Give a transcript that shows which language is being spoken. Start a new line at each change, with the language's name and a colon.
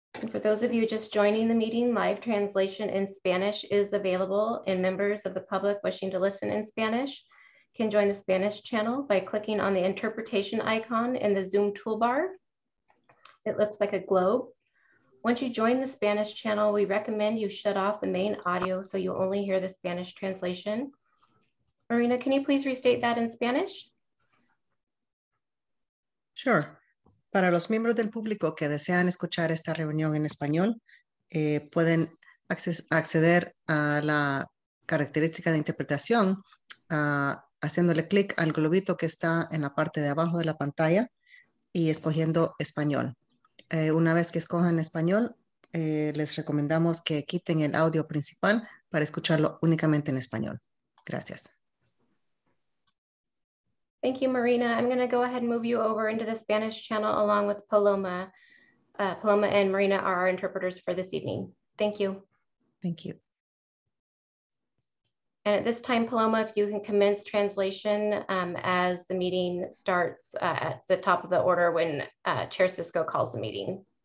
English: For those of you just joining the meeting, live translation in Spanish is available, and members of the public wishing to listen in Spanish can join the Spanish channel by clicking on the interpretation icon in the Zoom toolbar. It looks like a globe. Once you join the Spanish channel, we recommend you shut off the main audio so you only hear the Spanish translation. Marina, can you please restate that in Spanish? Sure.
Spanish: Para los miembros del público que desean escuchar esta reunión en español, pueden acceder a la característica de interpretación haciéndole clic al globito que está en la parte de abajo de la pantalla y escogiendo español. Una vez que escojan español, les recomendamos que quiten el audio principal para escucharlo únicamente en español. Gracias.
English: Thank you, Marina. I'm going to go ahead and move you over into the Spanish channel along with Paloma. Paloma and Marina are our interpreters for this evening. Thank you. Thank you. And at this time, Paloma, if you can commence translation as the meeting starts at the top of the order when Chair Cisco calls the meeting.